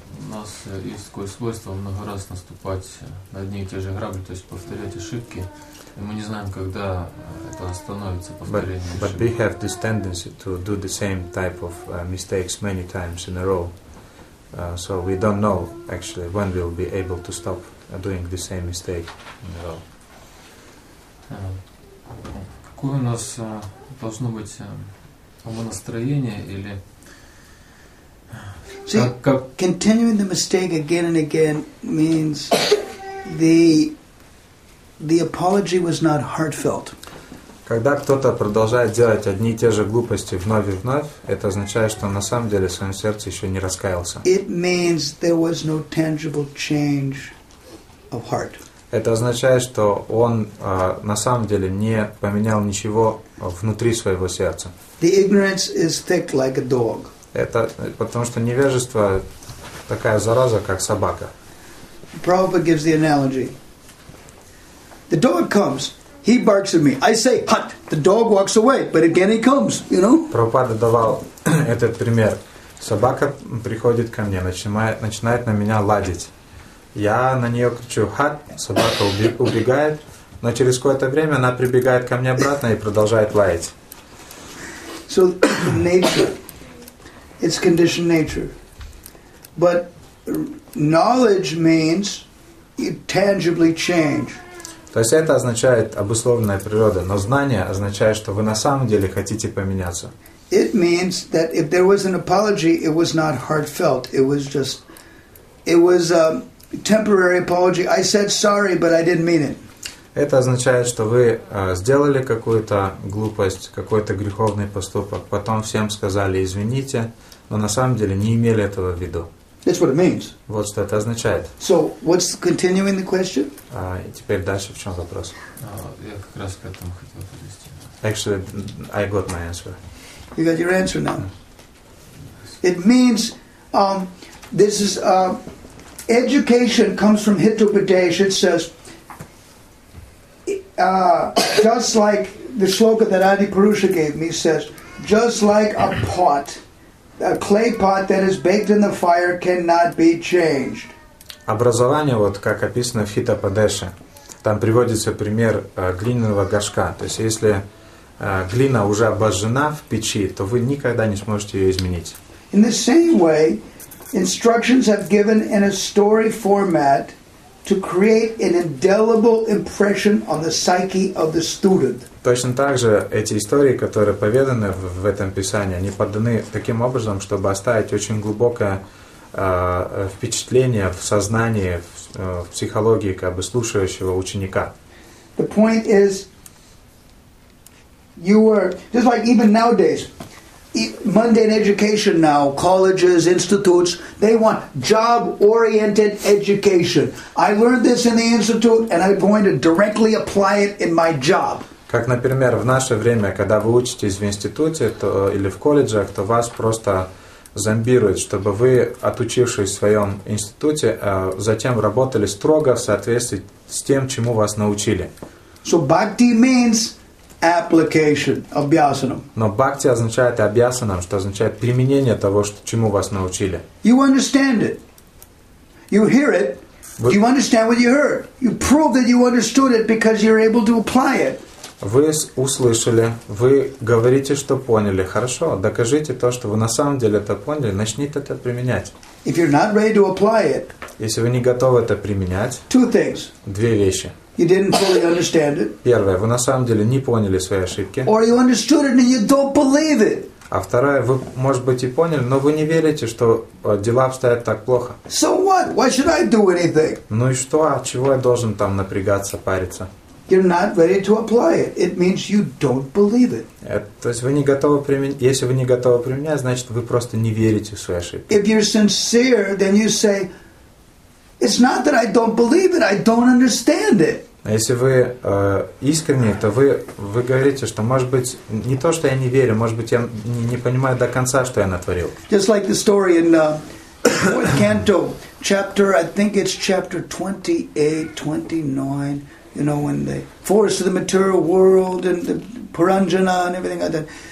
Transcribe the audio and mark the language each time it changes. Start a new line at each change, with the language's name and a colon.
Russian: нас есть такое свойство много раз наступать на одни и те же грабли, то есть повторять ошибки. И мы не знаем, когда это остановится, повторение ошибки.
English: But we have this tendency to do the same type of mistakes many times in a row. So we don't know actually when we'll be able to stop doing the same mistake in a row.
Russian: Какое у нас должно быть настроение или...
English: See, continuing the mistake again and again means the apology was not heartfelt.
Russian: Когда кто-то продолжает делать одни и те же глупости вновь и вновь, это означает, что на самом деле в своем сердце еще не раскаялся.
English: It means there was no tangible change of heart.
Russian: Это означает, что он на самом деле не поменял ничего внутри своего сердца.
English: The ignorance is thick like a dog.
Russian: Это потому что невежество такая зараза, как собака.
English: Prabhupada gives the analogy. The dog comes, he barks at me. I say, hut. The dog walks away, but again he comes, you know?
Russian: Прабхупада давал этот пример. Собака приходит ко мне, начинает на меня ладить. Я на нее кричу, хат, собака убегает, но через какое-то время она прибегает ко мне обратно и продолжает лаять.
English: So nature. It's conditioned nature. But knowledge means you tangibly change.
Russian: То есть это означает обусловленная природа, но знание означает, что вы на самом деле хотите поменяться.
English: It means that if there was an apology, it was not heartfelt. It was a temporary apology. I said sorry, but I didn't mean it.
Russian: Это означает, что вы сделали какую-то глупость, какой-то греховный поступок, потом всем сказали извините, но на самом деле не имели этого в виду.
English: That's what it means.
Russian: Вот что это означает.
English: So, what's continuing the question?
Russian: И теперь дальше в чем вопрос? Я как раз к этому хотел подвести.
English: Actually, I got my answer. You got your answer now. It means this is education comes from Hitopadesha. It says just like the shloka that Adi Purusha gave me says, just like a pot. A clay pot that is baked in the fire cannot be changed.
Russian: Образование, вот как описано в Хитопадеше, там приводится пример глиняного горшка. То есть, если глина уже обожжена в печи, то вы никогда не сможете ее изменить.
English: In the same way, instructions have given in a story format to create an indelible impression on the psyche of the student.
Russian: Точно так же эти истории, которые поведаны в этом писании, они поданы таким образом, чтобы оставить очень глубокое впечатление в сознании, в психологии как бы слушающего ученика.
English: The point is, just like even nowadays, mundane education now, colleges, institutes, they want job-oriented education. I learned this in the institute, and I'm going to directly apply it in my job.
Russian: Как, например, в наше время, когда вы учитесь в институте или в колледжах, то вас просто зомбируют, чтобы вы, отучившись в своем институте, затем работали строго в соответствии с тем, чему вас научили.
English: So bhakti means application, abhyasanam.
Russian: Но бхакти означает абьясанам, что означает применение того, чему вас научили.
English: You understand it. You hear it. Do you understand what you heard? You prove that you understood it because you're able to apply it.
Russian: Вы услышали, вы говорите, что поняли. Хорошо, докажите то, что вы на самом деле это поняли, начните это применять.
English: If you're not ready to apply it,
Russian: если вы не готовы это применять,
English: two things.
Russian: Две вещи.
English: You didn't fully understand it.
Russian: Первое, вы на самом деле не поняли свои ошибки.
English: Or you understood it and you don't believe it.
Russian: А второе, вы, может быть, и поняли, но вы не верите, что дела обстоят так плохо.
English: So what? Why should I do anything?
Russian: Ну и что? А чего я должен там напрягаться, париться?
English: You're not ready to apply it. It means you don't believe it.
Russian: То есть вы не готовы применять. Если вы не готовы применять, значит вы просто не верите в свои ошибки.
English: If you're sincere, then you say, it's not that I don't believe it. I don't understand it.
Russian: Если вы искренне, то вы говорите, что может быть не то, что я не верю, может быть я не понимаю до конца, что я натворил.
English: Just like the story in fourth canto, chapter, I think it's chapter 28, 29. You know, when the force of the material world and the Puranjana and everything like that.